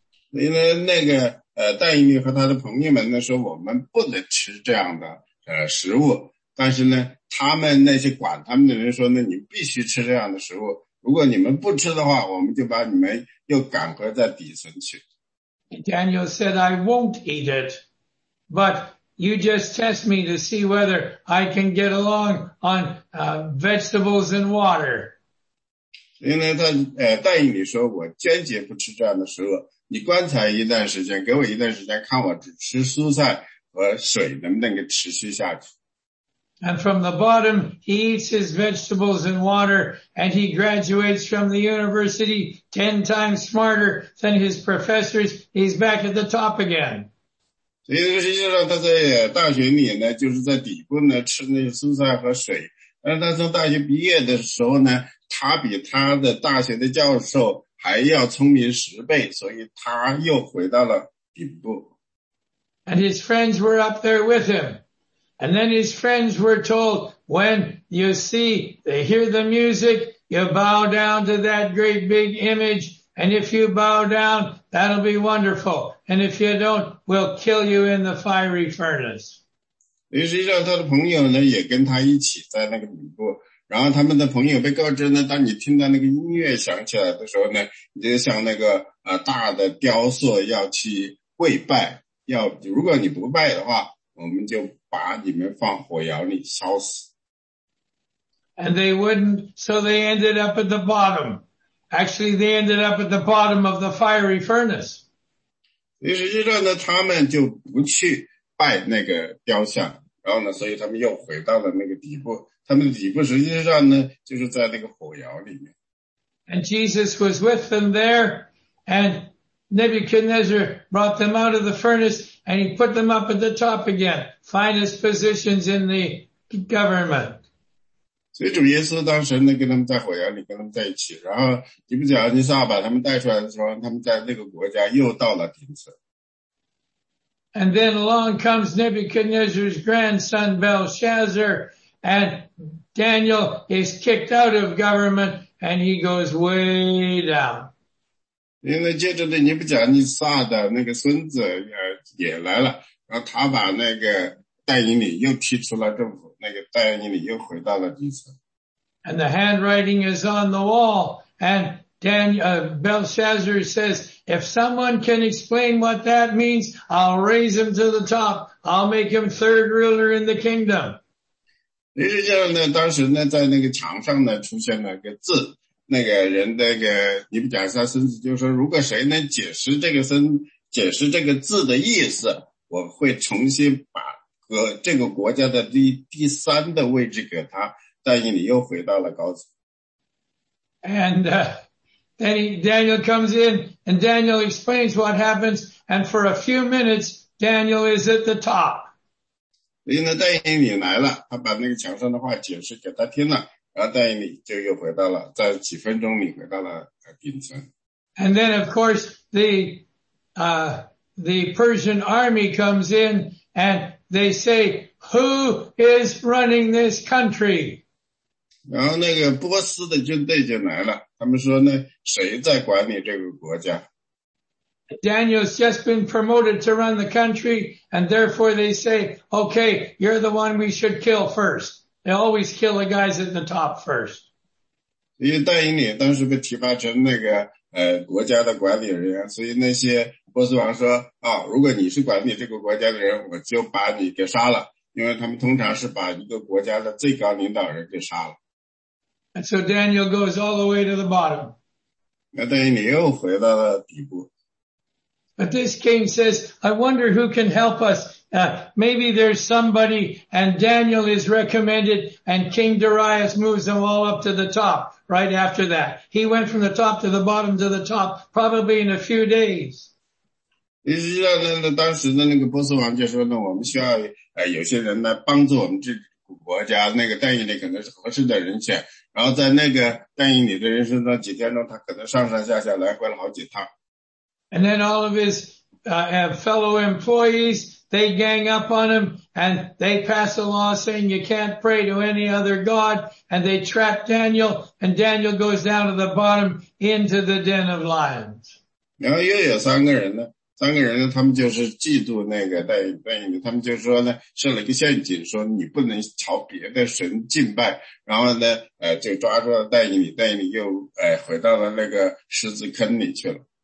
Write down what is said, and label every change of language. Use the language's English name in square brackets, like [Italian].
[Chinese] 因为那个但以理和他的朋友们呢说，我们不能吃这样的食物。但是呢，他们那些管他们的人说呢，你必须吃这样的食物。如果你们不吃的话，我们就把你们又赶回在底层去。 [English] Daniel said, I won't eat it, but you just test me to see whether I can get along on vegetables and water. [Chinese] 所以呢，他答应你说我坚决不吃这样的食物，你观察一段时间，给我一段时间，看我只吃蔬菜和水能不能够持续下去。 [English] And from the bottom, he eats his vegetables and water, and he graduates from the university 10 times smarter than his professors. He's back at the top again. [Chinese] 所以实际上他在大学里呢，就是在底部呢吃那些蔬菜和水。但是他从大学毕业的时候呢，他比他的大学的教授还要聪明十倍，所以他又回到了底部。 [English] And his friends were up there with him. And then his friends were told, when you see, they hear the music, you bow down to that great big image, and if you bow down, that'll be wonderful. And if you don't, we'll kill you in the fiery furnace. [Chinese] 于是让他的朋友呢也跟他一起在那个底部，然后他们的朋友被告知呢，当你听到那个音乐响起来的时候呢，你就像那个大的雕塑要去跪拜，要如果你不拜的话，我们就把你们放火窑里烧死。 [English] And they wouldn't, so they ended up at the bottom. Actually, they ended up at the bottom of the fiery furnace. [Chinese] 于是就让他们就不去拜那个雕像，然后呢，所以他们又回到了那个底部。他们的底部实际上呢，就是在那个火窑里面。 [English] And Jesus was with them there, and Nebuchadnezzar brought them out of the furnace. And he put them up at the top again, finest positions in the government. [Chinese] 所以主耶稣当时呢跟他们在火窑里跟他们在一起，然后吉布贾尼撒把他们带出来的时候，他们在那个国家又到了顶层。 [English] And then along comes Nebuchadnezzar's grandson Belshazzar, and Daniel is kicked out of government, and he goes way down. [Chinese] 因为接着的尼布甲尼撒的那个孙子也来了，然后他把那个代言领又踢出了政府，那个代言领又回到了底层。 [English] And the handwriting is on the wall, and Belshazzar says, if someone can explain what that means, I'll raise him to the top. I'll make him third ruler in the kingdom. [Chinese] 于是这样呢，当时呢，在那个墙上呢，出现了个字。那个人那个尼布甲尼撒孙子就说，如果谁能解释这个字的意思，我会重新把和这个国家的第三的位置给他，但是你又回到了高层。 [English] And, Daniel comes in, and Daniel explains what happens, and for a few minutes, Daniel is at the top. [Chinese] 因为戴英里来了，他把那个墙上的话解释给他听了。然后戴英里就又回到了，在几分钟里回到了顶层。 [English] And then, of course, the Persian army comes in and they say, "Who is running this country?" [Chinese] 然后那个波斯的军队就来了，他们说呢，谁在管理这个国家 [English] ？Daniel's just been promoted to run the country, and therefore they say, "Okay, you're the one we should kill first." They always kill the guys at the top first. [Chinese] 因为戴英里当时被提拔成那个国家的管理人员，所以那些波斯王说啊、哦，如果你是管理这个国家的人，我就把你给杀了，因为他们通常是把一个国家的最高领导人给杀了。 [English] And so Daniel goes all the way to the bottom. [Chinese] 那戴英里又回到了底部。 [English] But this king says, "I wonder who can help us." Maybe there's somebody, and Daniel is recommended, and King Darius moves them all up to the top right after that. He went from the top to the bottom to the top, probably in a few days. [Chinese] 实际上呢，当时的那个波斯王就说呢，我们需要有些人来帮助我们这国家。那个戴英里可能是合适的人选。然后在那个戴英里的人生中几天中，他可能上上下下来回了好几趟。 [English] And then all of his fellow employees. They gang up on him, and they pass a law saying you can't pray to any other god, and they trap Daniel, and Daniel goes down to the bottom into the den of lions. [Chinese] 然后又有三个人呢，三个人呢，他们就是嫉妒那个戴英里，他们就说呢，设了一个陷阱，说你不能朝别的神敬拜，然后呢，就抓住了戴英里又回到了那个狮子坑里去了。